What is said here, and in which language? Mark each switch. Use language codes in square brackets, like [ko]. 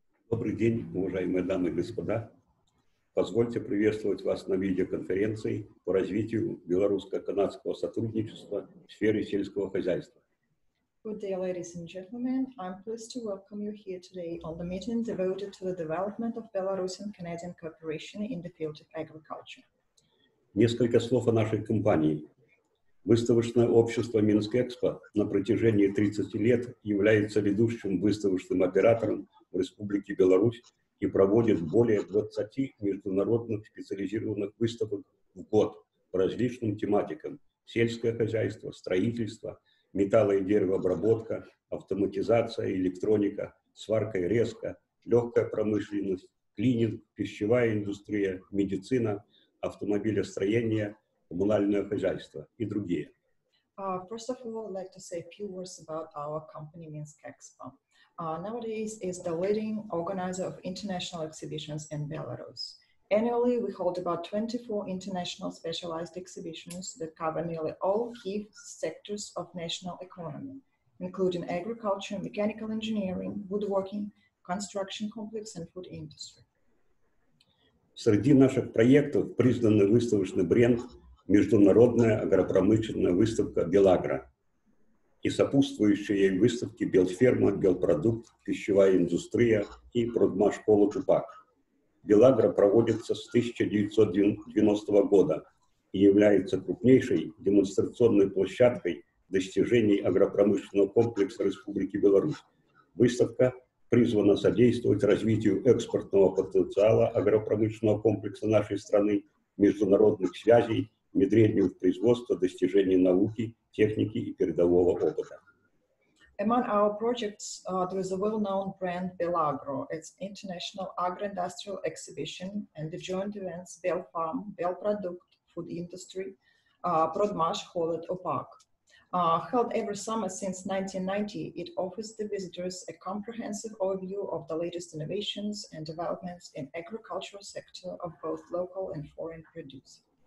[ru] Добрый день, уважаемые дамы и господа. Позвольте приветствовать вас на видеоконференции по развитию белорусско-канадского сотрудничества в сфере сельского хозяйства. [en] Good day, ladies and gentlemen. I'm pleased to welcome you here today on the meeting devoted to the development of Belarusian Canadian cooperation in the field of agriculture. [ru] Несколько слов о нашей компании. Выставочное общество Минск Экспо на протяжении 30 лет является ведущим выставочным оператором в Республике Беларусь и проводит более 20 международных специализированных выставок в год по различным тематикам: сельское хозяйство, строительство, металло- и деревообработка, автоматизация, электроника, сварка и резка, легкая промышленность, клининг, пищевая индустрия, медицина, автомобилестроение, коммунальное хозяйство и другие. [en] First of all, I'd like to say a few words about our company, Minsk Expo. Nowadays, it's the leading organizer of international exhibitions in Belarus. Annually, we hold about 24 international specialized exhibitions that cover nearly all key sectors of national economy, including agriculture, mechanical engineering, woodworking, construction complex, and food industry. [ru] Среди наших проектов признанный выставочный бренд международная агропромышленная выставка «Белагро» и сопутствующие ей выставки «Белферма», «Белпродукт», «Пищевая индустрия» и «Продмашколу Чупак». «Белагро» проводится с 1990 года и является крупнейшей демонстрационной площадкой достижений агропромышленного комплекса Республики Беларусь. Выставка призвана содействовать развитию экспортного потенциала агропромышленного комплекса нашей страны, международных связей, внедрению в производство, достижений науки, техники и передового опыта. [en] Among our projects, there is a well-known brand, BELAGRO. It's International Agro-Industrial Exhibition and the joint events BELFARM, BELPRODUCT, Food Industry, PRODMASH, HOLED, OPAC. Held every summer since 1990, it offers the visitors a comprehensive overview of the latest innovations and developments in agricultural sector of both local and foreign producers.